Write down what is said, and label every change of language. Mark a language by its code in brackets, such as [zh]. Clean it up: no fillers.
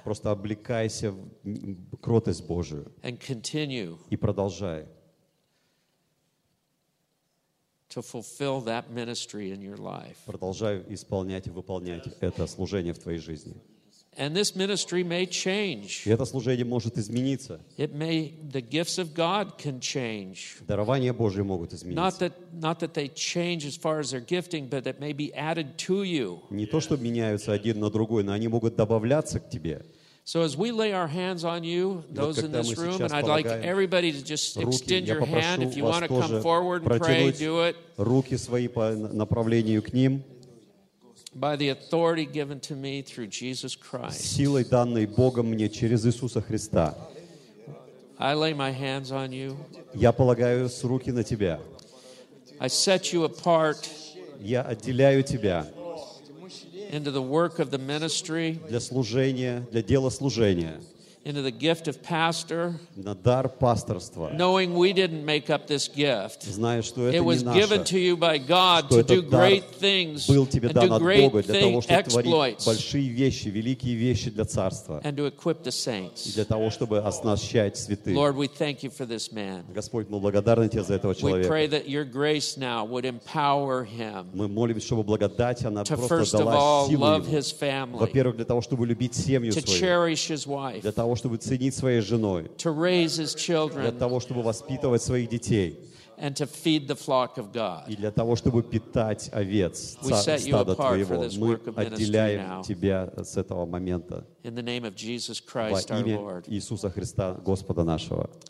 [ru] просто облекайся в кротость Божию, [en] and continue, [ru] и продолжай. [en] To fulfill that ministry in your life. [ru] Продолжаю исполнять и выполнять это служение в твоей жизни. [en] And this ministry may change. [ru] И это служение может измениться. [en] It may the gifts of God can change. [ru] Дарования Божьи могут измениться. [en] Not that they change as far as their gifting, but that may be added to you. [ru] Не то, что меняются один на другой, но они могут добавляться к тебе. [en] So as we lay our hands on you, those in this room, and I'd like everybody to just extend your hand if you want to come forward and pray, do it. [ru] Руки свои по направлению к ним. [en] By the authority given to me through Jesus Christ. [ru] Силой, данной Богом мне через Иисуса Христа. [en] I lay my hands on you. [ru] Я полагаю руки на тебя. [en] I set you apart. [ru] Я отделяю тебя. [en] Into the work of the ministry. [ru] Для служения, для дела служения. [en] Into the gift of pastor. [ru] На дар пасторства. [en] Knowing we didn't make up this gift. [ru] Зная, что это не наше. [en] It was given to you by God to do great things. [ru] Был тебе дан от Бога для того, чтобы творить большие вещи, великие вещи для царства. [en] And to equip the saints. [ru] Для того, чтобы оснащать святых. [en] Lord, we thank you for this man. [ru] Господь, мы благодарны тебе за этого человека. [en] We pray that your grace now would empower him. [ru] Мы молимся, чтобы благодать она просто дала силу ему. [en] To first of all, love his family. [ru] Во-первых, для того, чтобы любить семью свою. [en] To cherish his wife. [ru] Для того, чтобы ценить своей женой. [en] To raise his children, [ru] для того, чтобы воспитывать своих детей. [en] And to feed the flock of God. [ru] И для того, чтобы питать овец, стадо твоего. Мы отделяем тебя с этого момента. [en] In the name of Jesus Christ, our Lord. [ru] Во имя Иисуса Христа, Господа нашего.